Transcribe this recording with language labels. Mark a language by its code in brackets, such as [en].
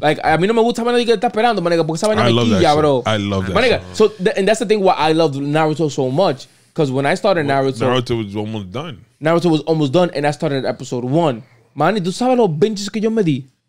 [es] Like, a mí no me gusta nadie que está esperando, manega, porque esa vaina me quilla, bro. [en] I love that manega, so, and that's the thing why I love Naruto so much. Because when I started Naruto was almost done. Naruto was almost done, and I started episode one. [es] Mani, ¿tú sabes los binges que yo me di?